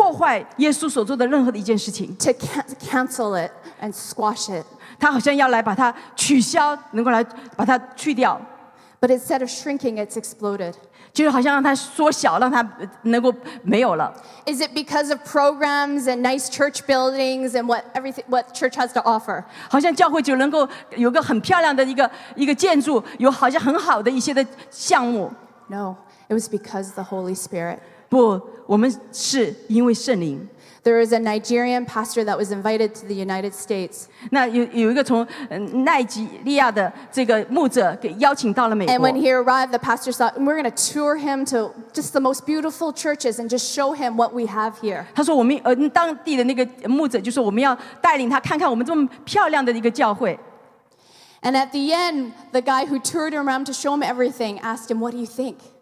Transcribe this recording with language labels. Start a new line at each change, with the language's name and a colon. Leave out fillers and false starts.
Chinese: 这个仇敌就要来破坏耶稣所做的任何的一件事情。
English: To cancel it and squash it.
Chinese: 他好像要来把它取消，能够来把它去掉。
English: But instead of shrinking, it's exploded.
Chinese: 就是好像让它缩小，让它能够没有了。
English: Is it because of programs and nice church buildings and what church has to offer?
Chinese: 好像教会就能够有个很漂亮的一个建筑，有好像很好的一些的项目。
English: No. It was because of the Holy Spirit.
Chinese: 不，我们是因为圣灵。
English: There is a Nigerian pastor that was invited to the United States.
Chinese: 那有一个从奈及利亚的这个牧者给邀请到了美国。
English: And when he arrived, the pastor thought, we're going to tour him to just the most beautiful churches and just show him what we have here.
Chinese: 他说我们当地的那个牧者就说我们要带领他看看我们这么漂亮的一个教会。
English: And at the end, the guy who toured him around to show him everything asked him, what do you think?